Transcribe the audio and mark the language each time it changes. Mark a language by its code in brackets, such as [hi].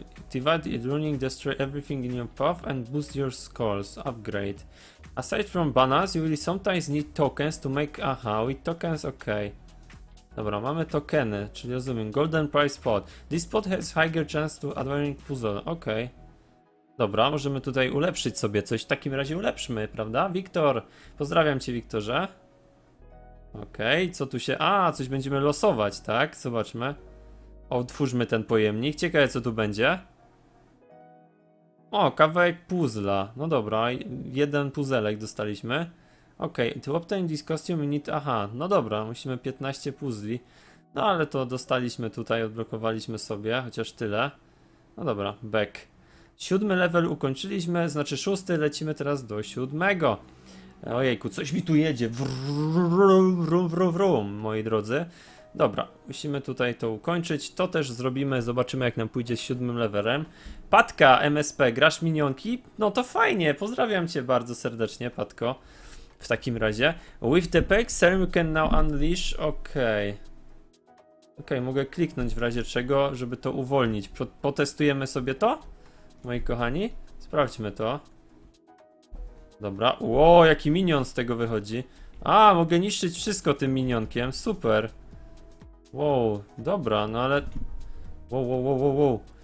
[en] Divide it, ruining, destroy everything in your path and boost your skulls. Upgrade. Aside from bananas, you will sometimes need tokens to make... Aha, with tokens, ok. [pl] Dobra, mamy tokeny, czyli rozumiem. [en] Golden prize spot. This spot has higher chance to advancing puzzle. Ok. [pl] Dobra, możemy tutaj ulepszyć sobie coś. W takim razie ulepszmy, prawda? Wiktor, pozdrawiam cię, Wiktorze. Okej, okay, co tu się... A, coś będziemy losować, tak? Zobaczmy. Otwórzmy ten pojemnik. Ciekawe, co tu będzie. O, kawałek puzzla. No dobra, jeden puzzelek dostaliśmy. [en] Okej, okay, to obtain this costume need... [pl] Aha, no dobra, musimy 15 puzzli. No ale to dostaliśmy tutaj, odblokowaliśmy sobie, chociaż tyle. No dobra, back. Siódmy level ukończyliśmy, znaczy szósty, lecimy teraz do siódmego. Ojejku, coś mi tu jedzie. Wrum, moi drodzy. Dobra, musimy tutaj to ukończyć. To też zrobimy, zobaczymy jak nam pójdzie z siódmym levelem. Patka MSP, grasz minionki? No to fajnie, pozdrawiam cię bardzo serdecznie, Patko. W takim razie. [en] With the pack, serum you can now unleash. Okej. Okay. [pl] Okej, okay, mogę kliknąć w razie czego, żeby to uwolnić. Potestujemy sobie to. Moi kochani, sprawdźmy to. Dobra, ło, jaki minion z tego wychodzi. A, mogę niszczyć wszystko tym minionkiem, super. Wow, dobra, no ale... Wow.